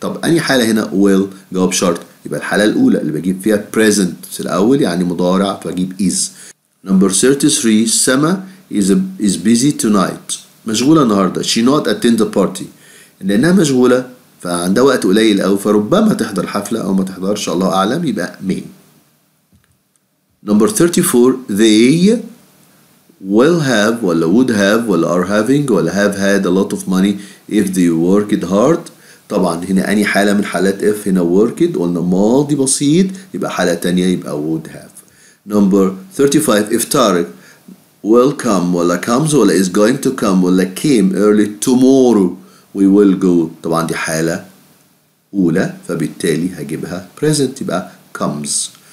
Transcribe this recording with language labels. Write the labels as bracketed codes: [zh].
[ar] طب أي حالة هنا will جواب شرط, يبقى الحالة الأولى اللي بجيب فيها present في الأول يعني مضارع فأجيب is. [en] Number 33, Sama is busy tonight, [ar] مشغولة النهاردة. [en] She not attend the party, [ar] لأنها مشغولة فعندها وقت قليل أو فربما تحضر حفلة أو ما تحضرش, الله أعلم, يبقى may. [en] Number 34, they will have ولا would have ولا are having ولا have had a lot of money if they worked hard. [ar] طبعا هنا أي حالة من حالات if هنا worked, قلنا ماضي بسيط يبقى حالة تانية يبقى [en] would have. Number 35, if Tarek will come ولا comes ولا is going to come ولا came early tomorrow, we will go. [ar] طبعا دي حالة أولى فبالتالي هجيبها present يبقى comes.